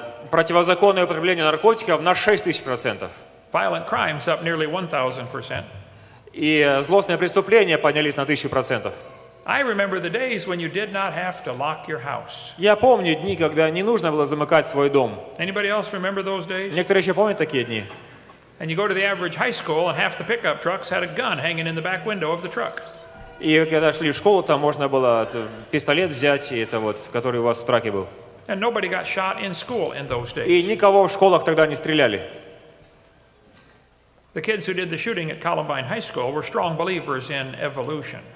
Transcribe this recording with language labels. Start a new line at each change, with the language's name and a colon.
Russian: Противозаконное употребление наркотиков на 6000%.
English: Violent crimes up nearly 1000%.
Russian: И злостные преступления поднялись на 1000%.
English: I remember the days when you did not have to lock your house.
Russian: Я помню дни, когда не нужно было замыкать свой дом.
English: Anybody else remember those days?
Russian: Некоторые еще помнят такие дни.
English: And you go to the average high school, and half the pickup trucks had a gun hanging in the back window of the truck.
Russian: И когда шли в школу, там можно было пистолет взять, и это вот, который у вас в траке был.
English: And nobody got shot in school in those days.
Russian: И никого в школах тогда не стреляли.
English: The kids who did the shooting at Columbine High School were strong believers in evolution.